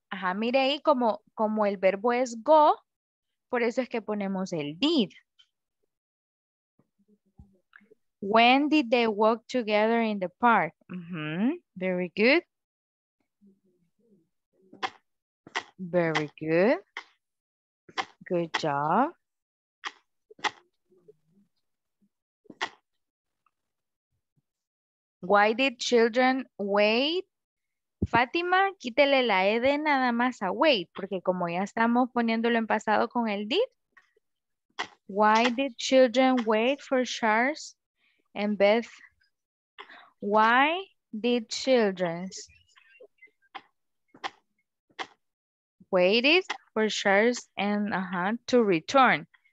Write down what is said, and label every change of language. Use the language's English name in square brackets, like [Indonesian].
[Spanish] Ajá, mire ahí como el verbo es go, por eso es que ponemos el did. [English] When did they walk together in the park? Mm-hmm. Very good. Very good. Good job. Why did children wait? [Spanish] Fátima, quítele la ED nada más a wait, porque como ya estamos poniéndolo en pasado con el did. [English] Why did children wait for Charles and Beth? Why did children waited for Charles and to return?